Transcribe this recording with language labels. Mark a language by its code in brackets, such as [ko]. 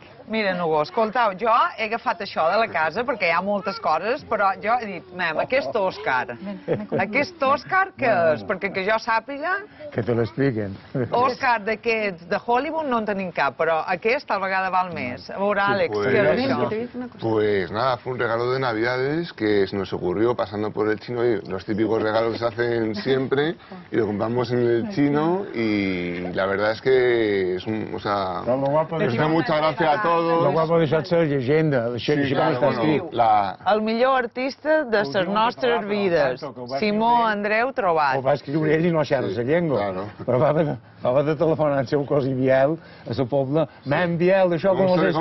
[ca] Mira, Nugo, escolteu, jo he agafat això de la casa perquè hi ha moltes coses, però jo he dit, anem, aquest Òscar. Aquest Òscar què és? Perquè que jo sàpiga... Que te l'expliquen. Òscar d'aquests de Hollywood no en tenim cap, però aquest tal vegada val més. A veure, Àlex, què és això? [es] Pues nada, fue un regalo de Navidades que se nos ocurrió pasando por el chino. Los típicos regalos se hacen siempre y lo compramos en el chino y la verdad es que es un... O sea, nos da mucha gracia a todos. Lo guapo de ser [ca] llegenda, això és com està escrit. El millor artista de les nostres vides, Simó Andreu Trobat. Ho va escriure ell i no xerra la llengua. Però va de telefonar al seu cosí Biel, a la pobla, Man Biel, això com es escriu.